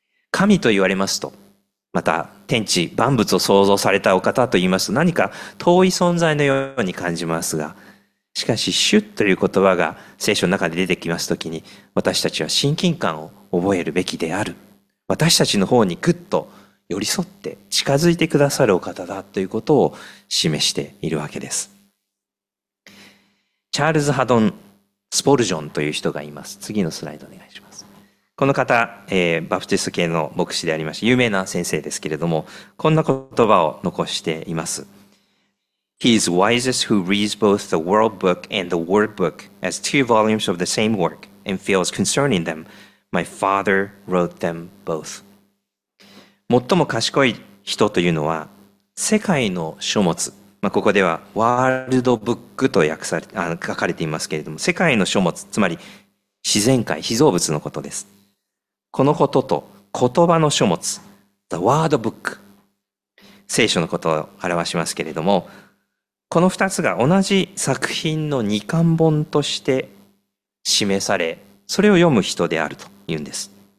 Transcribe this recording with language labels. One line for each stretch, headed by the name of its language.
Japanese: 神と言われますと、また天地万物を創造されたお方と言いますと、何か遠い存在のように感じますが、しかし主という言葉が聖書の中で出てきますときに、私たちは親近感を覚えるべきである、私たちの方にぐっと寄り添って近づいてくださるお方だということを示しているわけです。チャールズ・ハドン・スポルジョンという人がいます。次のスライドお願いします。この方、バプティスト系の牧師でありまして、有名な先生ですけれども、こんな言葉を残しています。
English: He is wisest who reads both the world book and the word book as two volumes of the same work and feels concerning them. My father wrote them both.
Japanese: 最も賢い人というのは、世界の書物、ここではワールドブックと書かれていますけれども、世界の書物、つまり自然界、被造物のことです。このことと言葉の書物、
English: The Word Book、
Japanese: 聖書のことを表しますけれども、この二つが同じ作品の二巻本として示され、それを読む人であると言うんです。